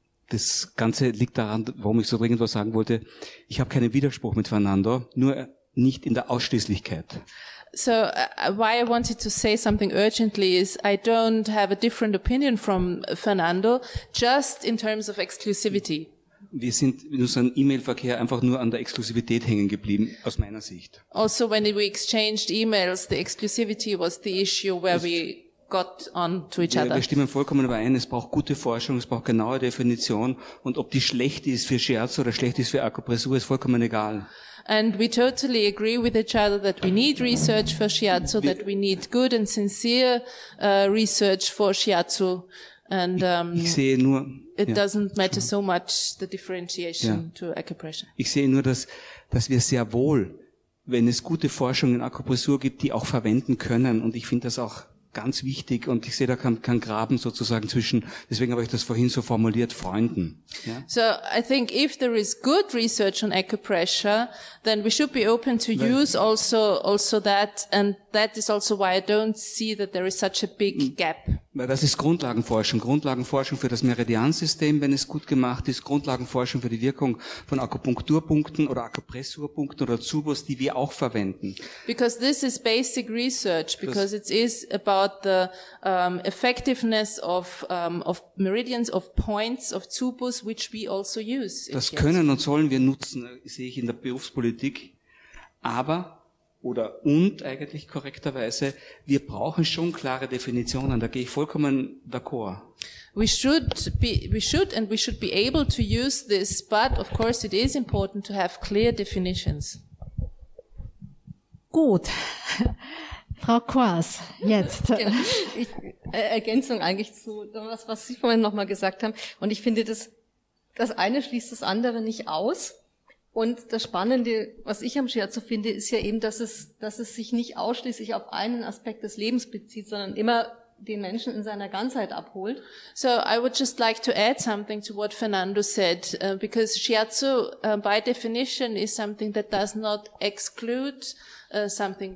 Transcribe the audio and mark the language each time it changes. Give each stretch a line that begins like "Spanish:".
German: Das Ganze liegt daran, warum ich so dringend was sagen wollte. Ich habe keinen Widerspruch mit Fernando, nur nicht in der Ausschließlichkeit.
English: So why I wanted to say something urgently is I don't have a different opinion from Fernando, just in terms of exclusivity.
German: Wir sind in unserem E-Mail-Verkehr einfach nur an der Exklusivität hängen geblieben, aus meiner Sicht.
English: Also when we exchanged emails, the exclusivity was the issue where we got on to each other.
German: Wir stimmen vollkommen überein, es braucht gute Forschung, es braucht genaue Definition, und ob die schlecht ist für Scherzo oder schlecht ist für Akupressur, ist vollkommen egal.
English: And we totally agree with each other that we need research for Shiatsu, that we need good and sincere research for Shiatsu. And doesn't matter so much the differentiation to acupressure.
German: Ich sehe nur, dass wir sehr wohl, wenn es gute Forschung in Akupressur gibt, die auch verwenden können. Und ich finde das auch ganz wichtig. Und ich sehe da kein Graben sozusagen zwischen, deswegen habe ich das vorhin so formuliert, Freunden.
English: Yeah? So I think if there is good research on acupressure, then we should be open to use also that. And that is also why I don't see that there is such a big gap.
German: Weil das ist Grundlagenforschung. Grundlagenforschung für das Meridiansystem, wenn es gut gemacht ist. Grundlagenforschung für die Wirkung von Akupunkturpunkten oder Akupressurpunkten oder Zubos, die wir auch verwenden.
English: Because this is basic research, because it is about the effectiveness of meridians, of points, of Zubos, which we also use.
German: Das können und sollen wir nutzen, sehe ich in der Berufspolitik. Aber... oder und eigentlich korrekterweise, wir brauchen schon klare Definitionen, da gehe ich vollkommen d'accord.
English: We should be able to use this, but of course it is important to have clear definitions.
German: Gut. Frau Kors, jetzt. Ergänzung eigentlich zu das, was Sie vorhin nochmal gesagt haben. Und ich finde, das eine schließt das andere nicht aus. Und das Spannende, was ich am Scherzo finde, ist ja eben, dass es sich nicht ausschließlich auf einen Aspekt des Lebens bezieht, sondern immer den Menschen in seiner Ganzheit abholt.
English: So I would just like to add something to what Fernando said, because Scherzo by definition is something that does not exclude something.